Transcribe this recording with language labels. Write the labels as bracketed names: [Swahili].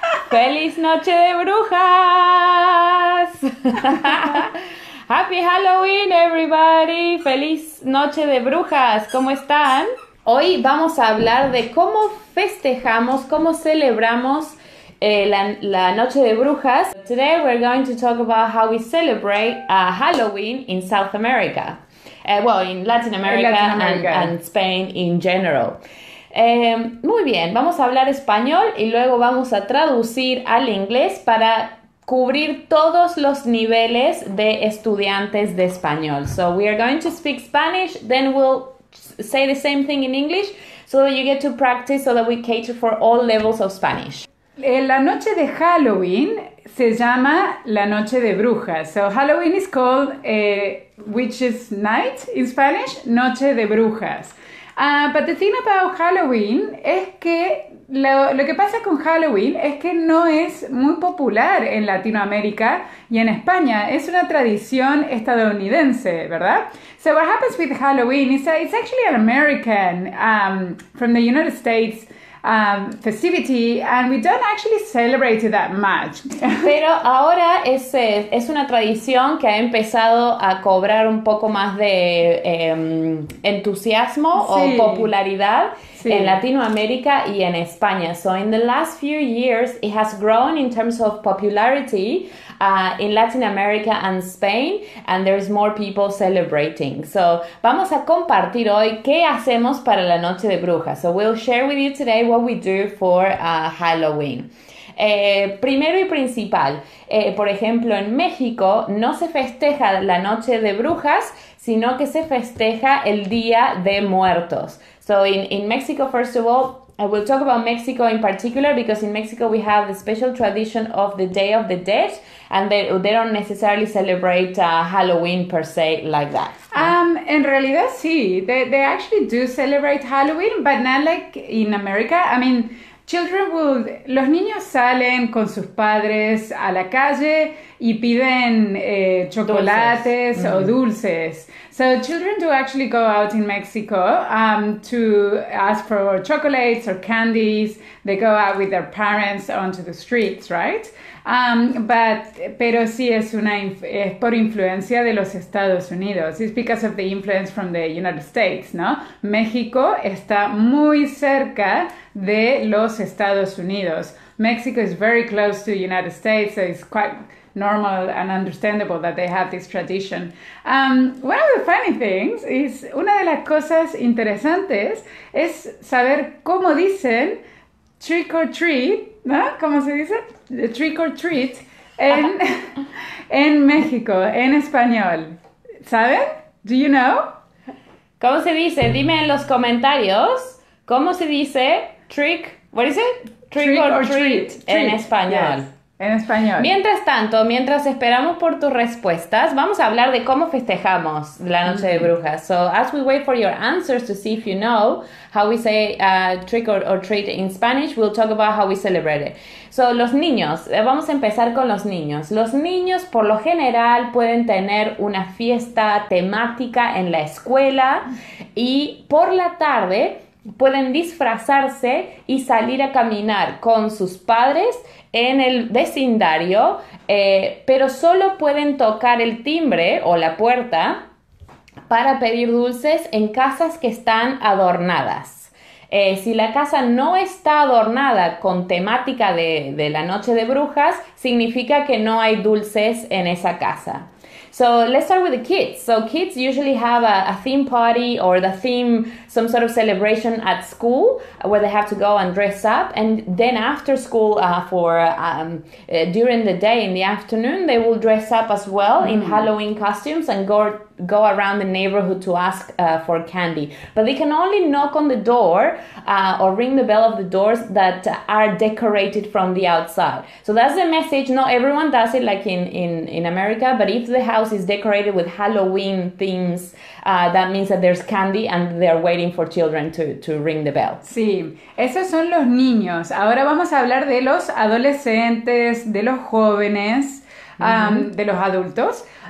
[Spanish] ¡Feliz Noche de Brujas! [English] ¡Happy Halloween, everybody! [Spanish] ¡Feliz Noche de Brujas! ¿Cómo están? Hoy vamos a hablar de cómo festejamos, cómo celebramos la Noche de Brujas. [English] Today we're going to talk about how we celebrate Halloween in South America. Well, in Latin America, and Spain in general. [Spanish] Muy bien, vamos a hablar español y luego vamos a traducir al inglés para cubrir todos los niveles de estudiantes de español. [English] So we are going to speak Spanish, then we'll say the same thing in English so that you get to practice, so that we cater for all levels of Spanish. [Spanish] La noche de Halloween se llama la noche de brujas. [English] So Halloween is called Witch's Night in Spanish, [Spanish] noche de brujas. [English] But the thing about Halloween [Spanish] es que lo que pasa con Halloween es que no es muy popular en Latinoamérica y en España. Es una tradición estadounidense, ¿verdad? [English] So what happens with Halloween is that it's actually an American, from the United States, festivity, and we don't actually celebrate it that much. [Spanish] Pero ahora es una tradición que ha empezado a cobrar un poco más de entusiasmo o popularidad en Sí. Latinoamérica y en España. [English] So in the last few years, it has grown in terms of popularity in Latin America and Spain, and there's more people celebrating. [Spanish] So vamos a compartir hoy qué hacemos para la noche de brujas. [English] So we'll share with you today what we do for Halloween. [Spanish] Primero y principal, por ejemplo, en México no se festeja la noche de brujas, sino que se festeja el Día de Muertos. [English] So in Mexico, first of all, I will talk about Mexico in particular because in Mexico we have the special tradition of the Day of the Dead, and they don't necessarily celebrate Halloween per se like that. [Spanish] En realidad sí, [English] they actually do celebrate Halloween, but not like in America. I mean, [Spanish] los niños salen con sus padres a la calle y piden Dulces. chocolates o dulces. [English] So children do actually go out in Mexico to ask for chocolates or candies. They go out with their parents onto the streets, right? [Spanish] Pero sí es por influencia de los Estados Unidos. [English] It's because of the influence from the United States, ¿no? [Spanish] México está muy cerca de los Estados Unidos. [English] Mexico is very close to the United States, so it's quite normal and understandable that they have this tradition. One of the funny things is, [Spanish] una de las cosas interesantes es saber cómo dicen trick or treat, ¿no? ¿Cómo se dice? The trick or treat en México, en español. ¿Saben? Do you know? ¿Cómo se dice? Dime en los comentarios, ¿cómo se dice trick? [English] What is it? Trick Trick or or treat treat, [Spanish] en [English] treat, [Spanish] español. yes, en español. Mientras tanto, mientras esperamos por tus respuestas, vamos a hablar de cómo festejamos la noche de brujas. [English] So, as we wait for your answers to see if you know how we say trick or treat in Spanish, we'll talk about how we celebrate it. [Spanish] So, los niños, vamos a empezar con los niños. Los niños, por lo general, pueden tener una fiesta temática en la escuela y por la tarde pueden disfrazarse y salir a caminar con sus padres en el vecindario, pero solo pueden tocar el timbre o la puerta para pedir dulces en casas que están adornadas. Si la casa no está adornada con temática de la noche de brujas, significa que no hay dulces en esa casa. [English] So let's start with the kids. So kids usually have a theme party or the theme, some sort of celebration at school where they have to go and dress up. And then after school, during the day in the afternoon, they will dress up as well in Halloween costumes and go go around the neighborhood to ask for candy. But they can only knock on the door or ring the bell of the doors that are decorated from the outside. So that's the message. Not everyone does it like in America, but if the house is decorated with Halloween themes, that means that there's candy and they're waiting for children to ring the bell. [Spanish] Sí, esos son los niños. Ahora vamos a hablar de los adolescentes, de los jóvenes, de los adultos.